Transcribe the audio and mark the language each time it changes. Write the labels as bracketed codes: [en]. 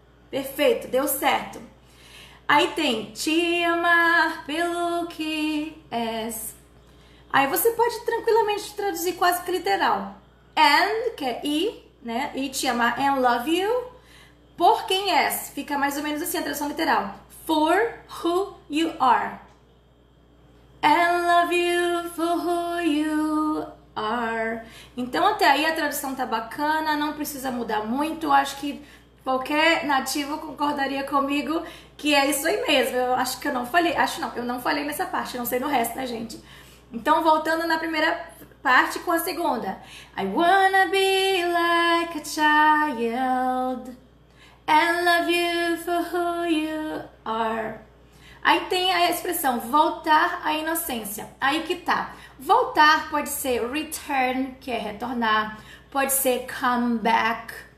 [pt] Perfeito, deu certo. Aí tem te amar pelo que és. Aí você pode tranquilamente traduzir quase que literal. And, que é e, né? E te amar, [en] and love you, [pt] por quem és. Fica mais ou menos assim a tradução literal. [en] For who you are. And love you for who you are. [pt] Então até aí a tradução tá bacana, não precisa mudar muito. Acho que qualquer nativo concordaria comigo que é isso aí mesmo. Eu acho que eu não falei, acho não, eu não falei nessa parte, não sei no resto, né, gente? Então voltando na primeira parte com a segunda. [en] I wanna be like a child and love you for who you are. [pt] Aí tem a expressão voltar à inocência. Aí que tá. Voltar pode ser return, que é retornar, pode ser come back.